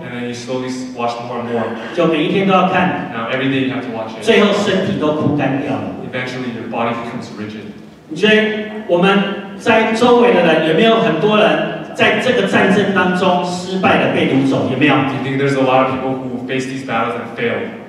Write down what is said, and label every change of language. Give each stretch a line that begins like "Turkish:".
English: and then you slowly watch more and more.
Chinese: 就每一天都要看
English: now every day you have to watch it.
Chinese: 最后身体都枯干掉
English: eventually your body becomes rigid.
Chinese: 你觉得我们在周围的人有没有很多人在这个战争当中失败的被掳走？有没有？
English: Do you think there's a lot of people who face these battles and fail?